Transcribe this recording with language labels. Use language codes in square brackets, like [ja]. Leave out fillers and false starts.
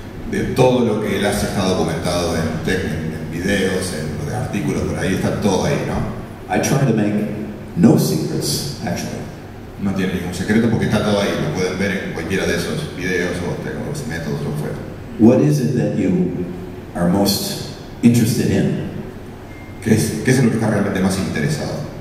[es] De todo lo que él hace está documentado en técnicas, en videos, en artículos, por ahí está todo ahí, ¿no? [en] I try to make no secrets, actually. [es] No tiene ningún secreto porque está todo ahí, lo pueden ver en cualquiera de esos videos o los métodos o fuera. [en] What is it that you are most interested in? [es] ¿Qué es lo que está realmente más interesado?